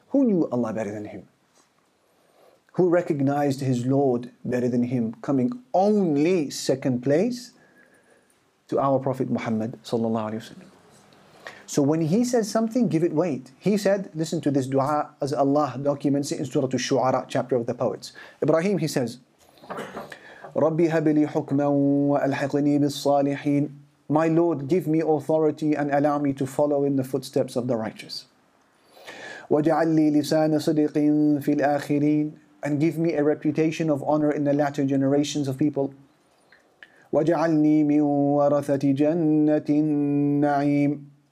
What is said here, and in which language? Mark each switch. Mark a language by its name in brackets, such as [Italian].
[English] Who knew Allah better than him? Who recognized his Lord better than him, coming only second place to our Prophet Muhammad sallallahu alayhi wa sallam? So when he says something, give it weight. He said, listen to this dua as Allah documents it in Surah Al-Shu'ara, chapter of the poets. [Arabic] Ibrahim, [English] he says, [Arabic] رَبِّ هَبِلِي حُكْمًا وَأَلْحِقْنِي بِالصَّالِحِينَ. [English] My Lord, give me authority and allow me to follow in the footsteps of the righteous. [Arabic] وَجَعَلِّي لِسَانَ صِدِقٍ فِي الْآخِرِينَ. [English] And give me a reputation of honor in the latter generations of people. [Arabic] وَجَعَلْنِي مِن وَرَثَةِ جَنَّةِ النَّعِيمِ.